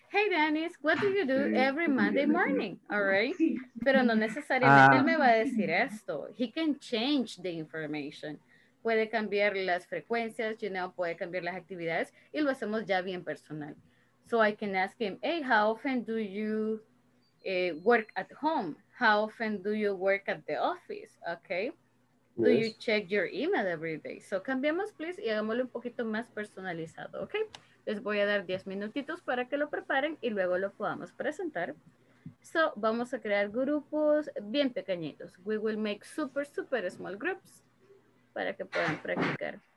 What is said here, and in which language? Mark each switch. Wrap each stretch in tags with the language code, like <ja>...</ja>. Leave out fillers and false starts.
<en>Hey, Dennis, what do you do every Monday morning? All right.</en> <es>Pero no necesariamente él me va a decir esto.</es> <en>He can change the information.</en> <es>Puede cambiar las frecuencias,</es> <en>you know,</en> <es>puede cambiar las actividades y lo hacemos ya bien personal.</es> <en>So I can ask him, hey, how often do you work at home? How often do you work at the office? Okay. Do you check your email every day?</en> <es>So cambiemos, please, y hagámoslo un poquito más personalizado, okay? Les voy a dar 10 minutitos para que lo preparen y luego lo podamos presentar. So, vamos a crear grupos bien pequeñitos.</es> <en>We will make super, super small groups</en> <es>para que puedan practicar.</es>